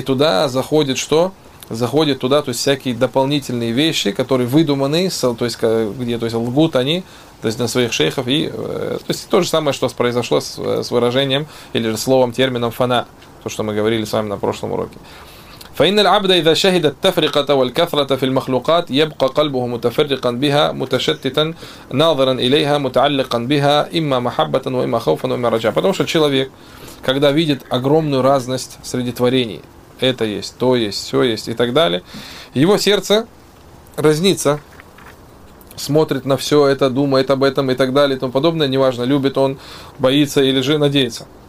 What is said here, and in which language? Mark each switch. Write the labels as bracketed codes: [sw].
[ru] И туда заходит что? Заходит туда, то есть, всякие дополнительные вещи, которые выдуманы, то есть, где, то есть, лгут они. То есть на своих шейхов, и то есть то же самое, что произошло с выражением или же словом, термином фана, то, что мы говорили с вами на прошлом уроке. [ar] فإن العبد إذا شهد التفرقة والكثرة في المخلوقات يبقى قلبه متفرقا بها متشتتا ناظرا إليها متعلقا بها إما محبة وإما خوفا وإما رجاء. [ru] Потому что человек, когда видит огромную разность среди творений, это есть, то есть, все есть и так далее, его сердце разнится. Смотрит на все это, думает об этом и так далее и тому подобное. Неважно, любит он, боится или же надеется.